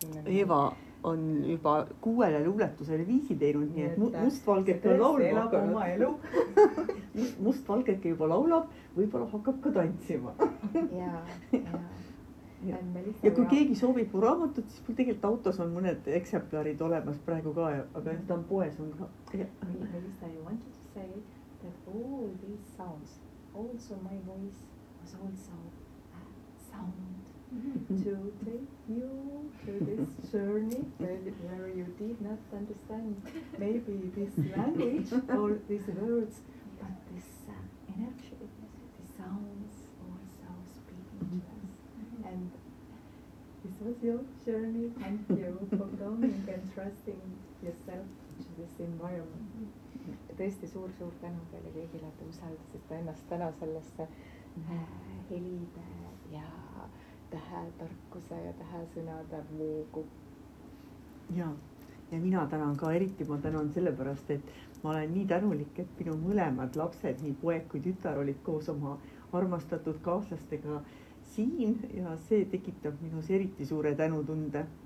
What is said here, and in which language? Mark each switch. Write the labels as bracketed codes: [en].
[et] Eva on juba kuuele luuletusele viisi teinud, nii et mustvalgeke laulab oma elu. Mustvalgeke juba laulab, võibolla hakkab ka tantsima. Ja. Ja kui keegi soovib mu raamatut, siis mul tegelikult autos on mõned eksemplarid olemas praegu ka, aga nüüd on poes on ka. [en] Melissa, I want you to say that all these sounds, also my voice, was also sound to take you to this journey where you did not understand maybe this language or these words, but this energy, this sounds also speaking to us. And this was your journey. Thank you for coming and trusting yourself to this environment. [et] Tõesti suur tänu teile kõigile, et usaldasite ennast täna sellesse helide ja tähe tarkuse ja tähe sõnade voogu. Ja mina tänan ka eriti, ma tänan sellepärast, et ma olen nii tänulik, et minu mõlemad lapsed, nii poeg kui tütar olid koos oma armastatud kaaslastega siin ja see tekitab minus eriti suure tänutunde.